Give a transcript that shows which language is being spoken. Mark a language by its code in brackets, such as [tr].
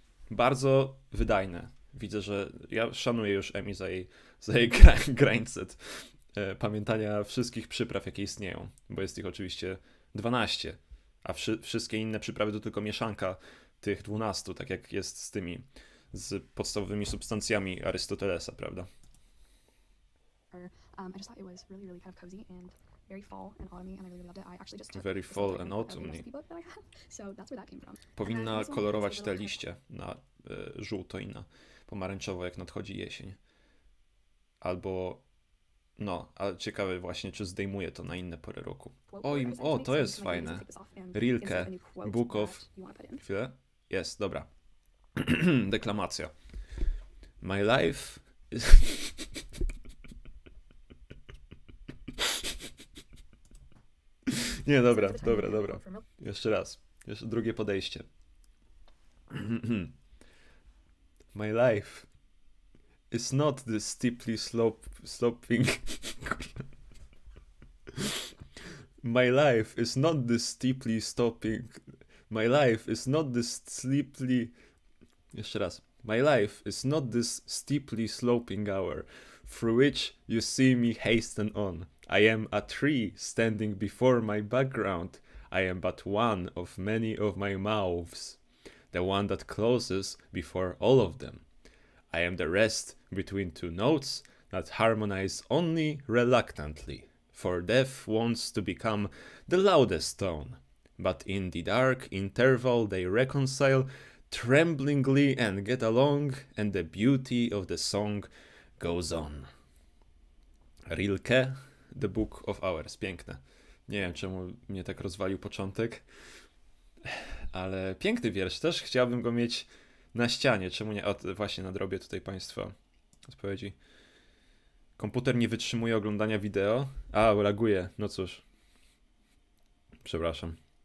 [pl] Bardzo wydajne. Widzę, że ja szanuję już Emi za jej grindset pamiętania wszystkich przypraw, jakie istnieją, bo jest ich oczywiście 12, a wszystkie inne przyprawy to tylko mieszanka tych 12, tak jak jest z tymi, z podstawowymi substancjami Arystotelesa, prawda? [en] I just thought it was really, really kind of cozy and very fall and autumny, and I really loved it. I actually just took very fall and autumny. So that's where that came from. [pl] Powinna kolorować te liście na żółto i na pomarańczowo, jak nadchodzi jesień. Albo no, ale ciekawe właśnie, czy zdejmuje to na inne pory roku. O, to jest fajne. Rilke, Book of... Chwilę? Jest, dobra. Deklamacja. [en] My life is... [pl] Nie, dobra. Jeszcze raz. Jeszcze drugie podejście. [en] My life is not the steeply sloping... My life is not the steeply stopping... My life is not this steeply... [pl] Jeszcze raz. [en] My life is not this steeply sloping hour through which you see me hasten on. I am a tree standing before my background. I am but one of many of my mouths, the one that closes before all of them. I am the rest between two notes that harmonize only reluctantly, for death wants to become the loudest tone, but in the dark interval they reconcile tremblingly and get along, and the beauty of the song goes on. [pl] Rilke, The Book of Hours, piękne. Nie wiem, czemu mnie tak rozwalił początek, ale piękny wiersz, też chciałbym go mieć na ścianie, czemu nie? O, właśnie nadrobię tutaj Państwa odpowiedzi. Komputer nie wytrzymuje oglądania wideo. A, laguje, no cóż. Przepraszam.